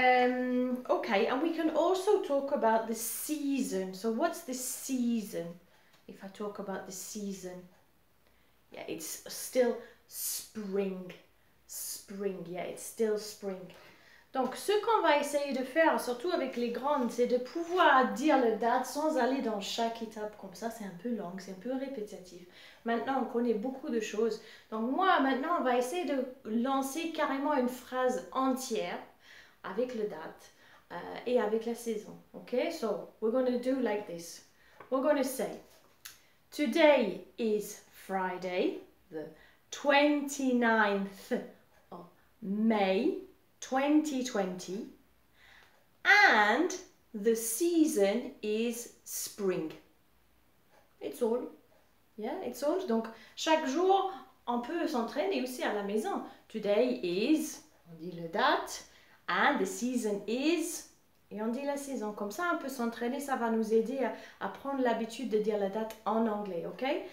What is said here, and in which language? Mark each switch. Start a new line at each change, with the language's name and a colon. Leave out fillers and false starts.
English: Okay, and we can also talk about the season. So what's the season? If I talk about the season, yeah, it's still... spring, spring, yeah, it's still spring.
French: Donc, ce qu'on va essayer de faire, surtout avec les grandes, c'est de pouvoir dire la date sans aller dans chaque étape comme ça. C'est un peu long, c'est un peu répétitif. Maintenant, on connaît beaucoup de choses. Donc, moi, maintenant, on va essayer de lancer carrément une phrase entière avec la date et avec la saison.
English: Ok, so, we're going to do like this. We're going to say, today is Friday, the 29th of May 2020, and the season is spring. It's all. Yeah, it's all.
French: Donc, chaque jour, on peut s'entraîner aussi à la maison.
English: Today is,
French: on dit le date,
English: And the season is...
French: Et on dit la saison. Comme ça, on peut s'entraîner. Ça va nous aider à prendre l'habitude de dire la date en anglais, OK?